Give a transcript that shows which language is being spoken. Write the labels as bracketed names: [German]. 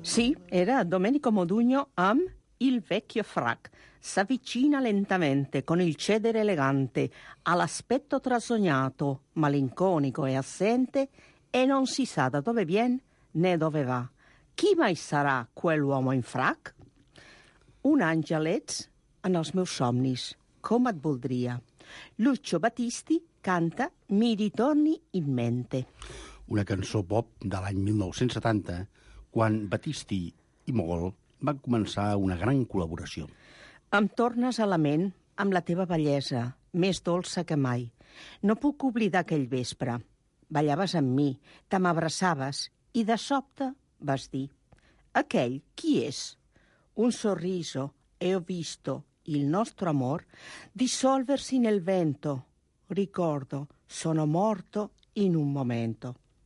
[Italian] Sì, era Domenico Modugno am il vecchio frac. S'avvicina lentamente con il cedere elegante, all'aspetto trasognato, malinconico e assente, e non si sa da dove viene né dove va. Chi mai sarà quell'uomo in frac? [Catalan] Un angelet en els meus somnis, com et voldria. Lucio Battisti canta Mi ritorni in mente. Una cançó pop de l'any 1970, quan Battisti i Mogol van començar una gran col·laboració. Em tornes a la ment amb la teva bellesa, més dolça que mai. No puc oblidar aquell vespre. Ballaves amb mi, te m'abraçaves i de sobte vas dir: aquell qui és? [Italian] Un sorriso, e ho visto il nostro amor dissolversi nel vento. Ricordo, sono morto in un momento.